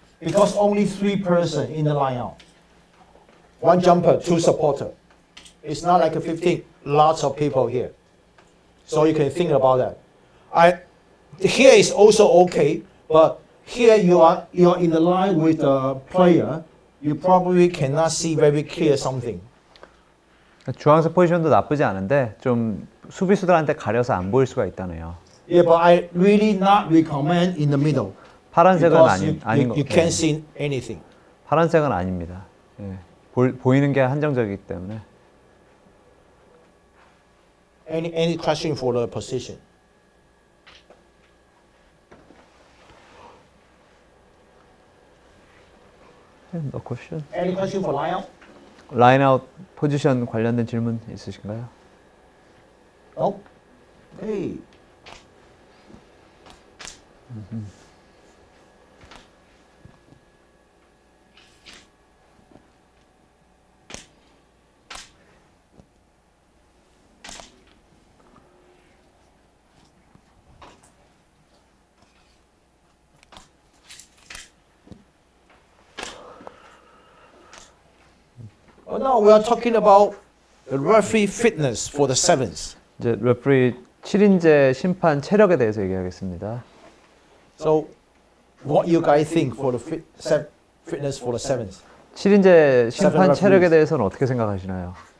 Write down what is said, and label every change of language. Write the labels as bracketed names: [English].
[English] Because only 3 person in the lineup. 1 jumper, 2 supporter. It's not like a 15, lots of people here. So you can think about that. Here is also okay, but here you are in the line with the player, you probably cannot see very clear something. [Korean] 중앙에서 포지션도 나쁘지 않은데 좀 수비수들한테 가려서 안 보일 수가 있다네요. [English] Yeah, but I really not recommend in the middle. [Korean] 파란색은 아닌 [English] 거. You can't see anything. [Korean] 파란색은 아닙니다. 예. 보이는 게 한정적이기 때문에. [English] Any question for the position? No question. Any question for line out? Line out position [Korean] 관련된 질문 있으신가요? [English] Oh, okay. Now we are talking about the referee fitness for the sevens. [Korean] 이제 레프리 7인제 심판 체력에 대해서 얘기하겠습니다. [English] So, what you guys think for the fitness for the sevens? [Korean] 7인제 심판 체력에 대해서는 어떻게 생각하시나요?